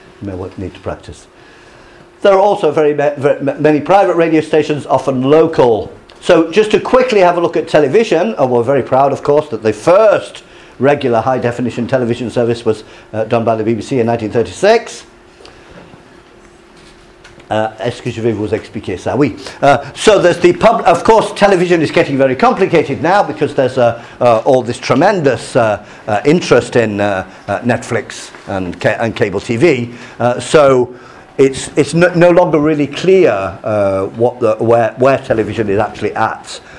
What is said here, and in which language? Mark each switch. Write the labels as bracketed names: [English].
[English] You may well need to practice. There are also very many private radio stations, often local. So just to quickly have a look at television, and we're very proud, of course, that the first regular high definition television service was done by the BBC in 1936. [French] Est-ce que je vais vous expliquer ça? Oui. [English] So there's the public. Of course, television is getting very complicated now because there's all this tremendous interest in Netflix and cable TV. So it's no longer really clear where television is actually at.